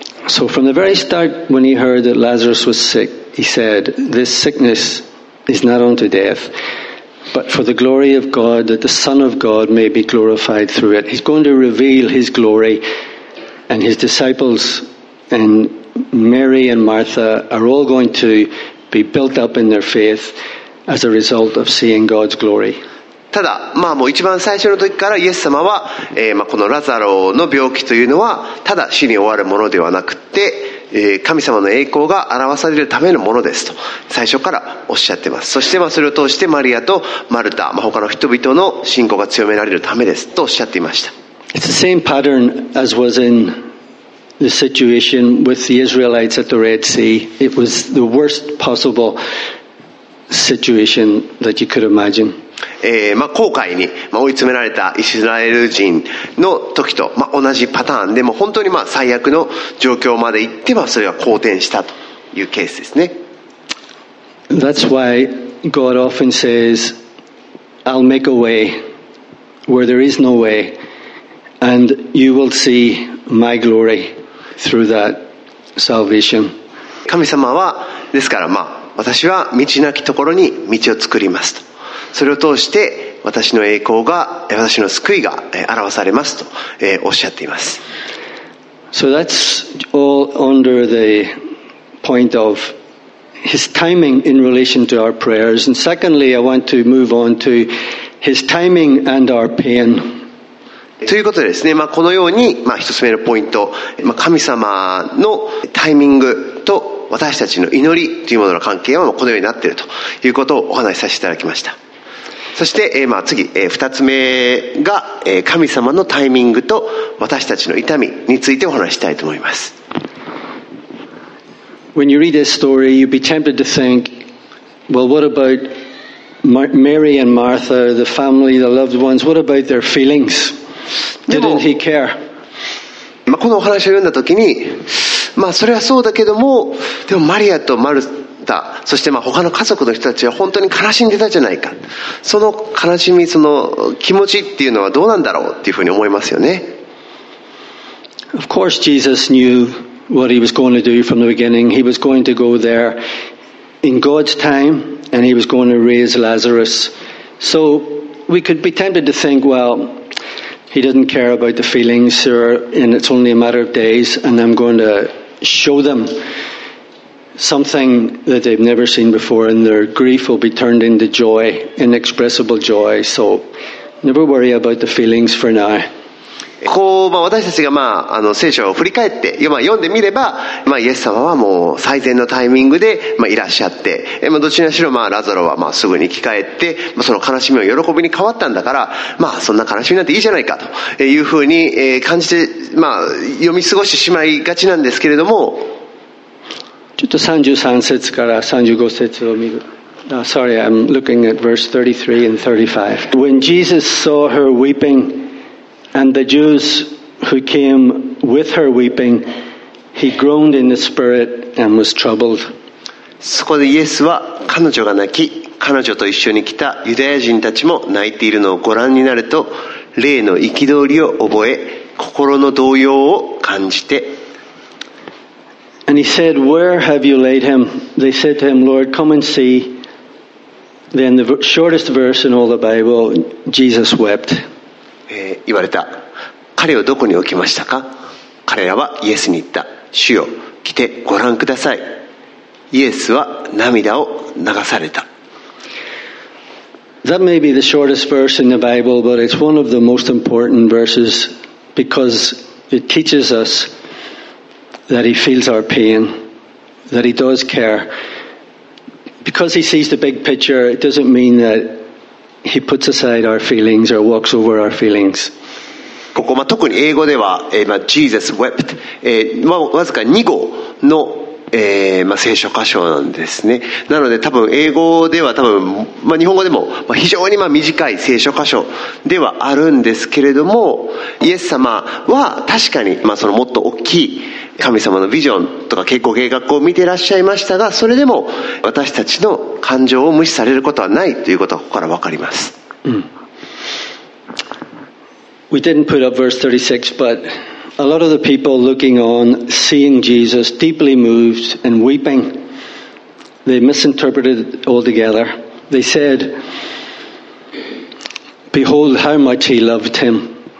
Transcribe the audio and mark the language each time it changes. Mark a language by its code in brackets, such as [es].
[en] So from the very start, when he heard that Lazarus was sick, he said, "This sickness is not unto death, but for the glory of God, that the Son of God may be glorified through it." He's going to reveal his glory, and his disciples and Mary and Martha are all going to be built up in their faith as a result of seeing God's glory. [ja] ただ、まあ、もう一番最初の時からイエス様は、このラザロの病気というのはただ死に終わるものではなくて、神様の栄光が表されるためのものですと最初からおっしゃってます。そして、まあ、それを通してマリアとマルタ、まあ、他の人々の信仰が強められるためですとおっしゃっていました。 [en] It's the same pattern as was in the situation with the Israelites at the Red Sea. It was the worst possible situation that you could imagine. [ja] まあ、後悔に追い詰められたイスラエル人の時と、まあ、同じパターンでも本当にまあ最悪の状況まで行って、まあ、それが好転したというケースですね。 [en] That's why God often says, I'll make a way where there is no way, and you will see my glory through that salvation. [ja] 神様はですから、まあ、私は道なきところに道を作りますと、それを通して私の栄光が、私の救いが表されますとおっしゃっています。 [en] So that's all under the point of his timing in relation to our prayers. And secondly, I want to move on to his timing and our pain. [ja] ということでですね、まあ、このように、まあ、一つ目のポイント、まあ、神様のタイミングと私たちの祈りというものの関係はこのようになっているということをお話しさせていただきました。そして、まあ、次、2つ目が、神様のタイミングと私たちの痛みについてお話したいと思います。 [en] When you read this story, you'd be tempted to think, well, what about Mary and Martha, the family, the loved ones, what about their feelings? Didn't he care?、 [ja] まあ、このお話を読んだ時に、まあ、それはそうだけども、でもマリアとマルタ、そしてまあ他の家族の人たちは本当に悲しんでたじゃないか、その悲しみ、その気持ちっていうのはどうなんだろうっていうふうに思いますよね。 [en] Of course Jesus knew what he was going to do from the beginning. He was going to go there in God's time, and he was going to raise Lazarus. So we could be tempted to think, wellHe didn't care about the feelings, sir, and it's only a matter of days, and I'm going to show them something that they've never seen before, and their grief will be turned into joy, inexpressible joy. So, never worry about the feelings for now. [ja] こう、まあ、私たちが、まあ、あの聖書を振り返って、まあ、読んでみれば、まあ、イエス様はもう最善のタイミングで、まあ、いらっしゃって、まあ、どちらにしろ、まあ、ラザロは、まあ、すぐに生き返って、まあ、その悲しみを喜びに変わったんだから、まあ、そんな悲しみなんていいじゃないかというふうに感じて、まあ、読み過ごしてしまいがちなんですけれども、ちょっと33節から35節を見る。 [en] Sorry, I'm looking at verse 33 and 35. When Jesus saw her weepingAnd the Jews who came with her weeping, he groaned in the spirit and was troubled. [ja] そこでイエスは彼女が泣き、彼女と一緒に来たユダヤ人たちも泣いているのをご覧になると、霊の憤りを覚え、心の動揺を感じて。 [en] And he said, "Where have you laid him?" They said to him, "Lord, come and see." Then the shortest verse in all the Bible, Jesus wept. [ja] 言われた。彼をどこに置きましたか？彼らはイエスに言った。主よ、来てご覧ください。イエスは涙を流された。 [en] That may be the shortest verse in the Bible, but it's one of the most important verses because it teaches us that he feels our pain, that he does care. Because he sees the big picture, it doesn't mean thatHe puts aside our feelings or walks over our feelings. [ja] ここ、まあ、特に英語では、まあ、 [en] Jesus wept、 [ja] まあ、わずか2語の、まあ、聖書箇所なんですね。なので多分英語では多分、まあ、日本語でも、まあ、非常にまあ短い聖書箇所ではあるんですけれども、イエス様は確かに、まあ、そのもっと大きい神様のビジョンとか結構計画を見ていらっしゃいましたが、それでも私たちの感情を無視されることはないということがここから分かります、 [en] うん、We didn't put up verse 36, but A lot of the people looking on, seeing Jesus deeply moved and weeping, they misinterpreted it altogether. They said, behold how much he loved him.